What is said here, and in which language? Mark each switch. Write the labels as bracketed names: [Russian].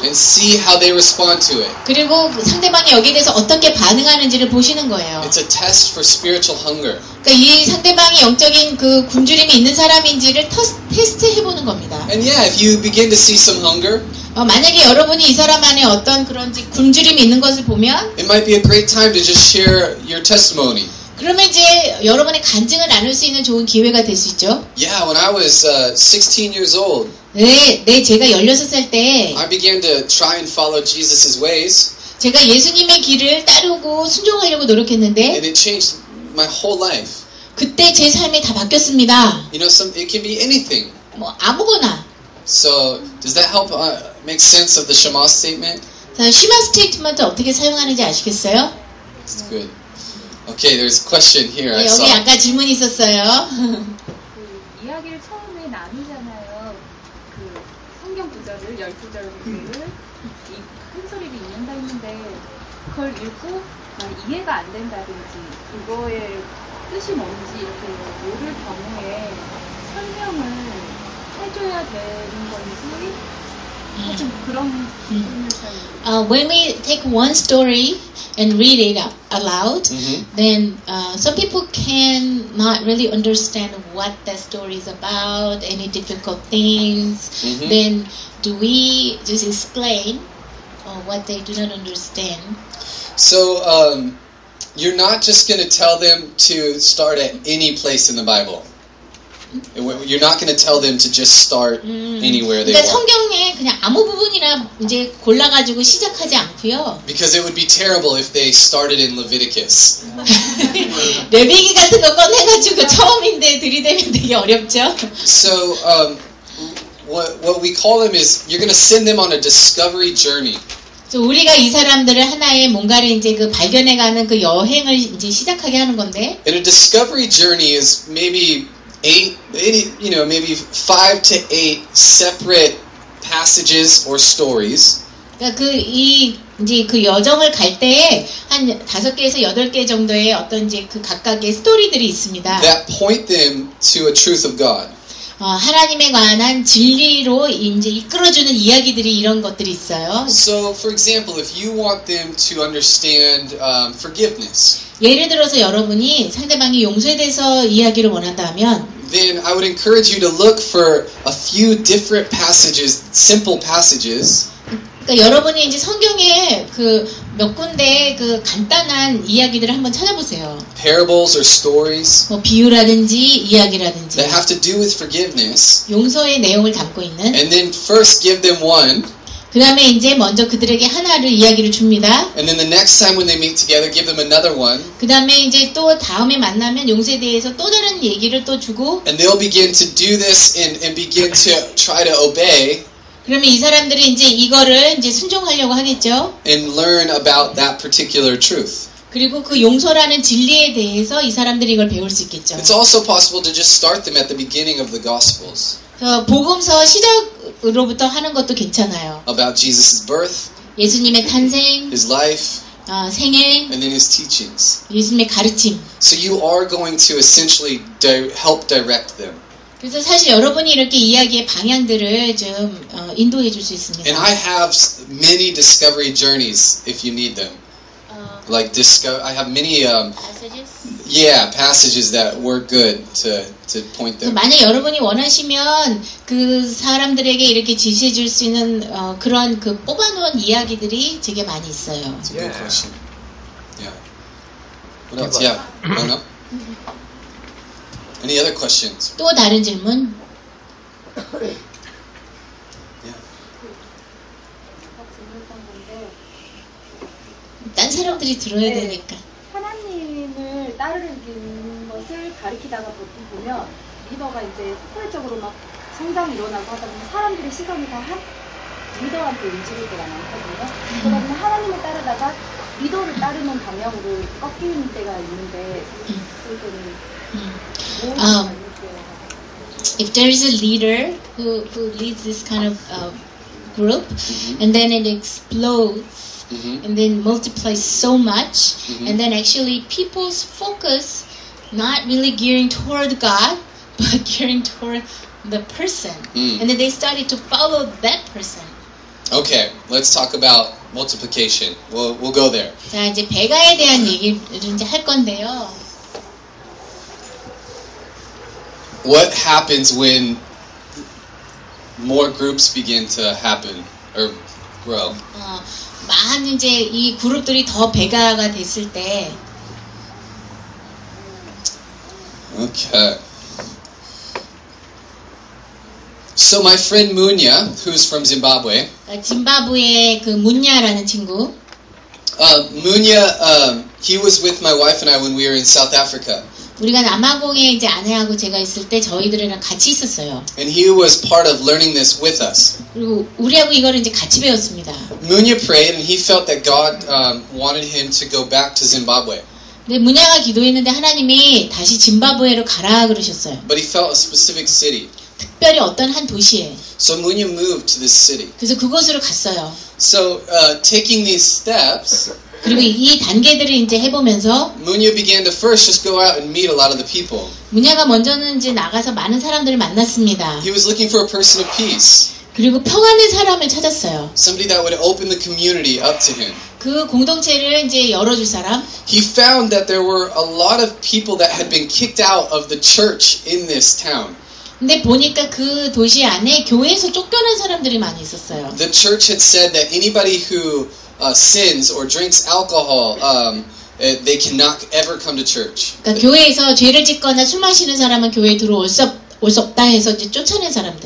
[English] And see how they respond to it. [Korean] 그리고 상대방이 여기에 대해서 어떻게 반응하는지를 보시는 거예요. [English] It's a test for spiritual hunger. [Korean] 그러니까 이 상대방이 영적인 그 굶주림이 있는 사람인지를 테스트 해보는 겁니다. [English] And yeah, if you begin to see some hunger. [Korean] 만약에 여러분이 이 사람 안에 어떤 그런지 굶주림이 있는 것을 보면. [English] It might be a great time to just share your testimony. [Korean] 그러면 이제 여러분의 간증을 나눌 수 있는 좋은 기회가 될 수 있죠. [English] Yeah, when I was 16 years old. [Korean] 네, 제가 16살 때. [English] I began to try and follow Jesus' ways. [Korean] 제가 예수님의 길을 따르고 순종하려고 노력했는데. [English] And it changed my whole life. [Korean] 그때 제 삶이 다 바뀌었습니다. [English] You know, some it can be anything. [Korean] 뭐 아무거나. [English] So does that help make sense of the Shema statement? [Korean] 자, Shema statement 어떻게 사용하는지 아시겠어요? [English] It's good. Okay, there's a question here. [Korean] 네, [English] I saw. [Korean] 여기 아까 질문 있었어요. 이야기를 처음에 나누잖아요. 그 성경 구절을 열 구절을 큰 소리로 읽는다 했는데 그걸 읽고 이해가 안 된다든지 그거의 뜻이 뭔지 이렇게 모를 경우에 설명을 해줘야 되는 건지 좀 그런 질문을 [English] When we take one story and read it up aloud, then some people can not really understand what that story is about, any difficult things. Mm-hmm. Then do we just explain what they do not understand? So you're not just going to tell them to start at any place in the Bible. You're not going to tell them to just start anywhere they [Korean] 그러니까 [English] want. [Korean] 성경에 그냥 아무 부분이나 이제 골라 가지고 시작하지 않고요. [English] Because it would be terrible if they started in Leviticus. [Korean] 레위기 같은 거 꺼내 가지고 처음인데 들이대면 되게 어렵죠. [English] So what we call them is you're going to send them on a discovery journey. [Korean] 우리가 이 사람들을 하나의 뭔가를 이제 그 발견해 가는 그 여행을 이제 시작하게 하는 건데. [English] And a discovery journey is maybe maybe 5 to 8 separate passages or stories. [Korean] 그러니까 그 이 이제 그 여정을 갈 때에 한 5개에서 8개 정도의 어떤 이제 그 각각의 스토리들이 있습니다. [English] That point them to a truth of God. [Korean] 하나님에 관한 진리로 이제 이끌어주는 이야기들이 이런 것들이 있어요. [English] So, for example, if you want them to understand forgiveness. [Korean] 예를 들어서 여러분이 상대방이 용서에 대해서 이야기를 원한다면 [English] Then I would encourage you to look for a few different passages, simple passages. [Korean] 그러니까 여러분이 이제 성경에 그 몇 군데 그 간단한 이야기들을 한번 찾아보세요. [English] Parables or stories. [Korean] 뭐 비유라든지 이야기라든지. [English] That have to do with forgiveness. [Korean] 용서의 내용을 담고 있는. [English] And then first give them one. [Korean] 그 다음에 이제 먼저 그들에게 하나를 이야기를 줍니다. [English] And then the next time when they meet together, give them another one. [Korean] 그 다음에 이제 또 다음에 만나면 용서에 대해서 또 다른 얘기를 또 주고. [English] And they'll begin to do this and begin to try to obey. [Korean] 그러면 이 사람들이 이제 이거를 이제 순종하려고 하겠죠. [English] And learn about that particular truth. [Korean] 그리고 그 용서라는 진리에 대해서 이 사람들이 이걸 배울 수 있겠죠. [English] It's also possible to just start them at the beginning of the Gospels. [Korean] 복음서 시작으로부터 하는 것도 괜찮아요. [English] About Jesus' birth. [Korean] 예수님의 탄생. [English] His life. [Korean] 생애. [English] And then his teachings. [Korean] 예수님의 가르침. [English] So you are going to essentially help direct them. [Korean] 그래서 사실 여러분이 이렇게 이야기의 방향들을 좀 인도해 줄 수 있습니다. [English] And I have many discovery journeys if you need them. Like I have many passages. Yeah, passages that were good to point them. [Korean] 만약 여러분이 원하시면 그 사람들에게 이렇게 지시해 줄 수 있는 그런 그 뽑아놓은 이야기들이 되게 많이 있어요. [English] Yeah. What else? Yeah. No. Any other questions? [Korean] 또 다른 질문? [English] Yeah. [Korean] 딴 사람들이 들어야 네. 되니까. 하나님을 따르는 것을 가리키다가 보면 리더가 이제 폭발적으로 막 성장이 일어나고 하다 보면 사람들의 시선이 다 리더한테 움직일 때가 많거든요. 그러면 하나님을 따르다가 리더를 따르는 방향으로 꺾이는 때가 있는데 그거는 [English] If there is a leader who leads this kind of group, mm-hmm. and then it explodes, mm-hmm. and then multiplies so much, mm-hmm. and then actually people's focus not really gearing toward God, but gearing toward the person, mm. and then they started to follow that person. Okay, let's talk about multiplication. We'll go there. [Korean] 자 이제 배가에 대한 얘기를 이제 할 건데요. [English] What happens when more groups begin to happen or grow? [Korean] 많은 이제 이 그룹들이 더 배가가 됐을 때. [English] Okay. So my friend Munya, who's from Zimbabwe. [Korean] 짐바브웨의 그 문야라는 친구. [English] Munya, he was with my wife and I when we were in South Africa. [Korean] 우리가 남아공에 이제 아내하고 제가 있을 때 저희들은 같이 있었어요. [English] And he was part of learning this with us. [Korean] 그리고 우리하고 이거를 이제 같이 배웠습니다. [English] Munya prayed and he felt that God wanted him to go back to Zimbabwe. [Korean] 근데 문야가 기도했는데 하나님이 다시 짐바브웨로 가라 그러셨어요. [English] But he felt a specific city. [Korean] 특별히 어떤 한 도시에. [English] So Munya moved to this city. [Korean] 그래서 그곳으로 갔어요. [English] So taking these steps. [Korean] 그리고 이 단계들을 이제 해보면서 [English] Munya began to first just go out and meet a lot of the people. [Korean] 문야가 먼저는 이제 나가서 많은 사람들을 만났습니다. [English] He was looking for a person of peace. [Korean] 그리고 평안의 사람을 찾았어요. [English] Somebody that would open the community up to him. [Korean] 그 공동체를 이제 열어줄 사람. [English] He found that there were a lot of people that had been kicked out of the church in this town. [Korean] 근데 보니까 그 도시 안에 교회에서 쫓겨난 사람들이 많이 있었어요. [English] The church had said that anybody who sins or drinks alcohol, they cannot ever come to church. [Korean] 그러니까 교회에서 죄를 짓거나 술 마시는 사람은 교회에 들어올 수 없다 해서 이제 쫓아낸 사람들.